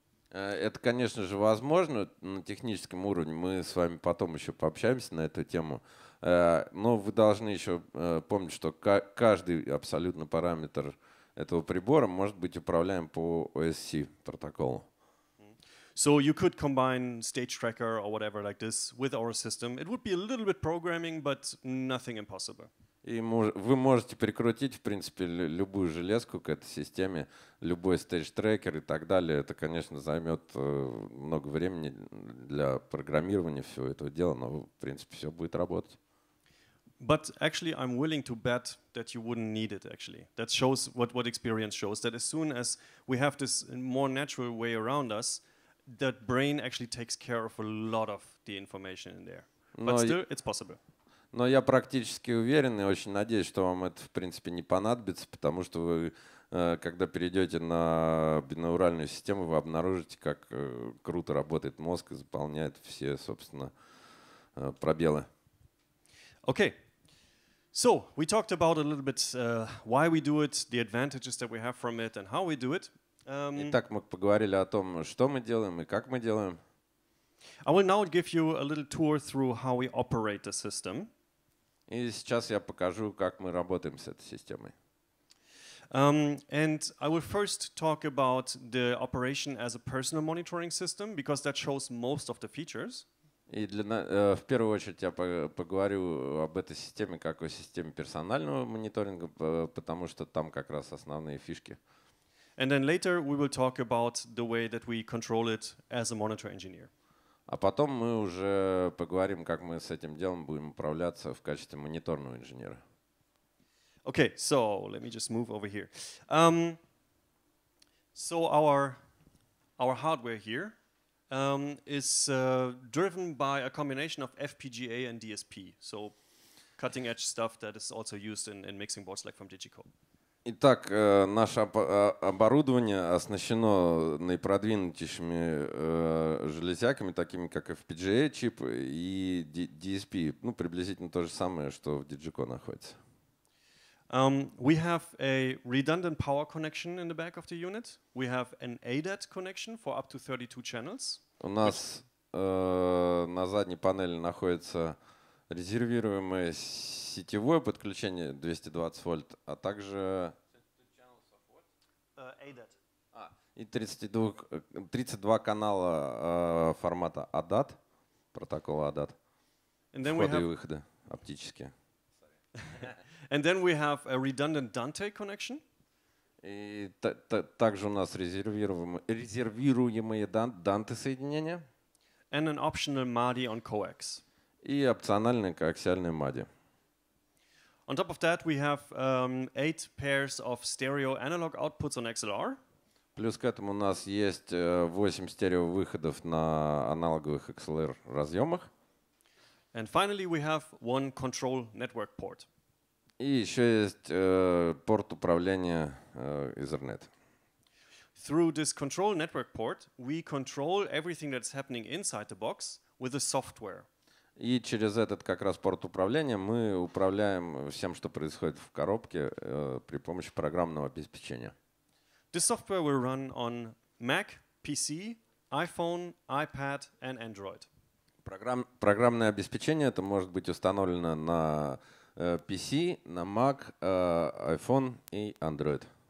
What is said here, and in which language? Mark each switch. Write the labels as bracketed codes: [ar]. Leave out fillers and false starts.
[ru] Это, конечно же, возможно на техническом уровне. Мы с вами потом еще пообщаемся на эту тему. Но вы должны еще помнить, что каждый абсолютно параметр этого прибора может быть управляем по OSC протоколу. [en] So you could combine stage tracker or whatever like this with our system. It would be a little bit programming, but nothing impossible. [ru] И вы можете прикрутить, в принципе, любую железку к этой системе, любой стейдж-трекер и так далее. Это, конечно, займет много времени для программирования всего этого дела, но, в принципе, все будет работать. [en] But actually, I'm willing to bet that you wouldn't need it, actually. That shows what experience shows, that as soon as we have this more natural way around us, that brain actually takes care of a lot of the information in there. But still, it's possible. [ru] Но я практически уверен и очень надеюсь, что вам это, в принципе, не понадобится, потому что вы, когда перейдете на бинауральную систему, вы обнаружите, как круто работает мозг и заполняет все, собственно, пробелы. [en] Okay. So, we talked about a little bit why we do it, the advantages that we have from it, and how we do it. [ru] Итак, мы поговорили о том, что мы делаем и как мы делаем. [en] I will now give you a little tour through how we operate the system. [ru] И сейчас я покажу, как мы работаем с этой системой. [en] And I will first talk about the operation as a personal monitoring system, because that shows most of the features. [ru] И в первую очередь я поговорю об этой системе как о системе персонального мониторинга, потому что там как раз основные фишки. [en] And then later we will talk about the way that we control it as a monitor engineer. [ru] А потом мы уже поговорим, как мы с этим делом будем управляться в качестве мониторного инженера. [en] Okay, so let me just move over here. So our hardware here is driven by a combination of FPGA and DSP. So cutting edge stuff that is also used in mixing boards like from Digico. [ru] Итак, наше оборудование оснащено наипродвинутейшими железяками, такими как FPGA-чип и DSP. Ну, приблизительно то же самое, что в Digico находится. [en] We have a redundant power connection in the back of the unit. We have an ADAT connection for up to 32 channels. [ru] У нас на задней панели находится резервируемое сетевое подключение 220 вольт, а также [en] ADAT. [ru] И 32 канала формата ADAT, протокола ADAT. Входы и выходы оптические. [en] And then we have a redundant Dante connection. [ru] И также у нас резервируемые Dante соединения. [en] And an optional MADI on coax. [ru] И опциональные коаксиальные MADI. [en] On top of that, we have 8 pairs of stereo analog outputs on XLR. [ru] Плюс к этому у нас есть 8 стерео выходов на аналоговых XLR разъемах. [en] And finally, we have one control network port. [ru] И еще есть порт управления Ethernet. [en] Through this control network port, we control everything that's happening inside the box with the software. [ru] И через этот как раз порт управления мы управляем всем, что происходит в коробке, при помощи программного обеспечения. [en] This software will run on Mac, PC, iPhone, iPad, and Android. [ru] Программное обеспечение это может быть установлено на PC, на Mac, iPhone и Android.